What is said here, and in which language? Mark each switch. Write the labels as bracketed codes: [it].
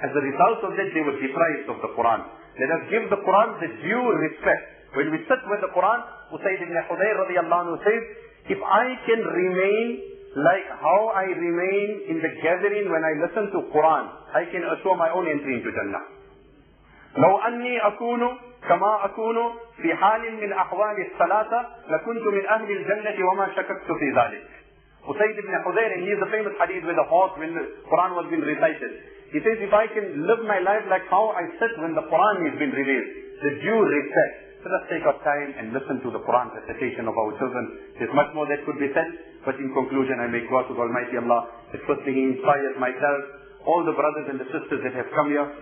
[en] As a result of that, they were deprived of the Quran. Let us give the Quran the due respect. When we sit with the Quran, Usayd ibn Hudayr radiallahu anhu says, if I can remain like how I remain in the gathering when I listen to Quran, I can assure my own entry into Jannah. [ar] لَوْ أَنِّي أَكُونُ كما أكون في حال من أحوال الصلاة لكنت من أهل الجنة وما شككت في ذلك. [en] Usayd ibn Hudayr, he is the famous hadith with the horse when the Quran was being recited. He says, if I can live my life like how I sit when the Quran is being released, the due respect. Let us take our time and listen to the Quran recitation of our children. There's much more that could be said, but in conclusion, I make dua to Almighty Allah that firstly He inspires myself, all the brothers and the sisters that have come here.